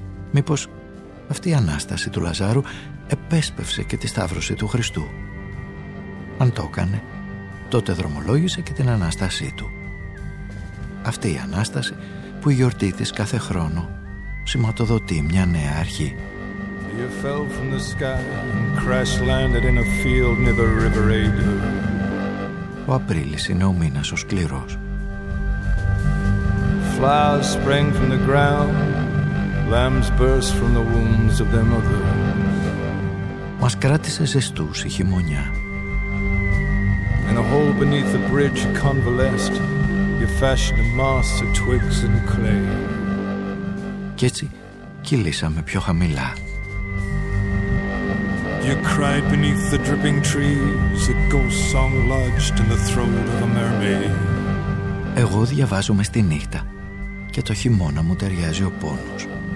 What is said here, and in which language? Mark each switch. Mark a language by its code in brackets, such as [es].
[el] Μήπως αυτή η Ανάσταση του Λαζάρου επέσπευσε και τη Σταύρωση του Χριστού? Αν το έκανε, τότε δρομολόγησε και την Ανάστασή του. Αυτή η Ανάσταση που η γιορτή της κάθε χρόνο σηματοδοτεί μια νέα αρχή. [en] You fell from the sky and crash landed in a field near the River Adur. [el] Ο Απρίλης είναι ο μήνας ο σκληρός. [en] Flowers spring from the ground, lambs burst from the wombs of their mother. [el] Μας κράτησε ζεστούς η χειμωνιά. [en] In a hole beneath the bridge you convalesced, you fashioned a mast of twigs and clay. [el] Κι έτσι κυλήσαμε πιο χαμηλά. [en] You cried beneath the dripping trees, a ghost song lodged in the throat of a mermaid. [el] Εγώ διαβάζομαι στη νύχτα και το χειμώνα μου ταιριάζει ο πόνος.